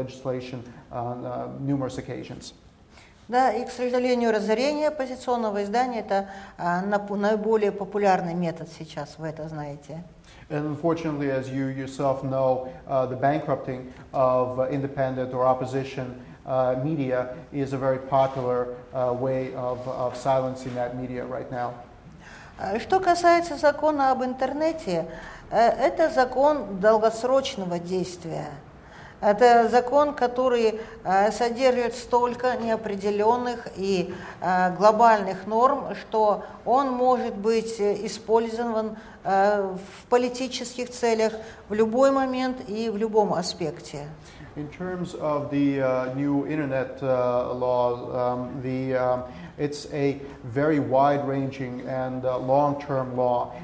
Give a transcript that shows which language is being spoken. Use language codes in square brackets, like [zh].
[en] But unfortunately, to this day, we can't see eye to eye on this, despite the fact that we've proposed this new legislation on numerous occasions. [ru] Да, и, к сожалению, разорение оппозиционного издания – это наиболее популярный метод сейчас, вы это знаете. [en] And unfortunately, as you yourself know, the bankrupting of independent or opposition media is a very popular way of silencing that media right now. [ru] Что касается закона об интернете, это закон долгосрочного действия. Это закон, который содержит столько неопределенных и глобальных норм, что он может быть использован в политических целях в любой момент и в любом аспекте. [en] In terms of the new internet law, it's a very wide-ranging and long-term law.